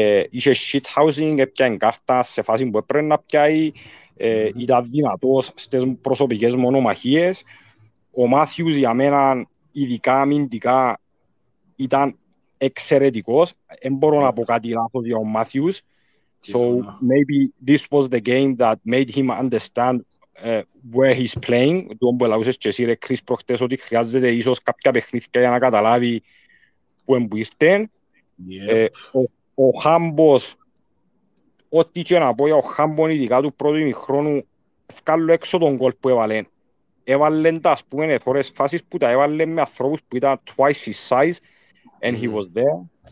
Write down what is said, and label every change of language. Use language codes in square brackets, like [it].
[el] Είχε shit housing, έπιαν κάρτα σε φάση που έπρεπε να πιάει. Ήταν δυνατός στις προσωπικές μονομαχίες. Ο Μάθιους για μένα, ειδικά αμυντικά, ήταν εξαιρετικός. Δεν μπορώ να πω κάτι λάθος για ο Μάθιους. [en] So maybe this was the game that made him understand where he's playing. [el] Τον που ελαούσες και εσύ ρε Κρίς προχτές, ότι χρειάζεται ίσως κάποια παιχνίδια για να καταλάβει που εμπουήρθεν. Ο Χάμπος, ό,τι και να πω για ο Χάμπον, ειδικά του πρώτου ημιχρόνου, βγάλω έξω τον γκολ που έβαλε. Έβαλε τα, ας πούμε, εθώρες φάσεις που τα έβαλε με ανθρώπους που ήταν [en] twice his size, and he was there.